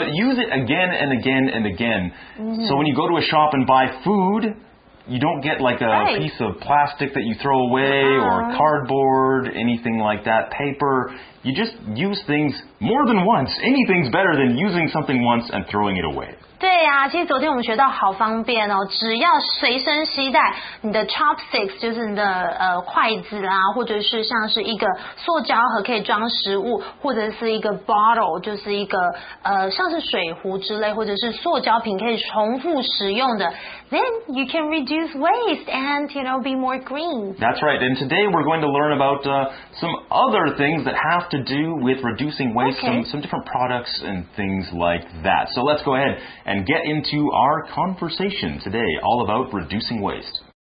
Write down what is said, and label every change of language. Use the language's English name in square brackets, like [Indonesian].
[English] But use it again and again and again. So when you go to a shop and buy food, you don't get like a piece of plastic that you throw away or cardboard, anything like that, paper. You just use things more than once. Anything's better than using something once and throwing it away. [Chinese] 对啊，其实昨天我们学到好方便哦，只要随身携带你的 chopsticks， 就是你的筷子啦，或者是像是一个塑胶盒可以装食物，或者是一个 bottle， 就是一个像是水壶之类，或者是塑胶瓶可以重复使用的。 [English] Then you can reduce waste and, you know, be more green. That's right. And today we're going to learn about some other things that have to do with reducing waste, some different products and things like that. So let's go ahead and get into our conversation today all about reducing waste.